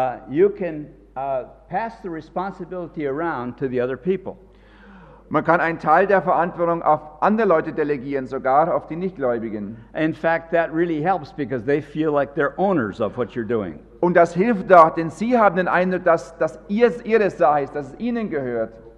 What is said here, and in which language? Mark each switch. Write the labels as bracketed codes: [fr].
[en] You can pass the responsibility around to the other people. [de] Man kann einen Teil der Verantwortung auf andere Leute delegieren, sogar auf die Nichtgläubigen. [en] In fact, that really helps because they feel like they're owners of what you're doing. [de] Und das hilft auch, denn sie haben den Eindruck, dass das ihre Sache ist, dass es ihnen gehört.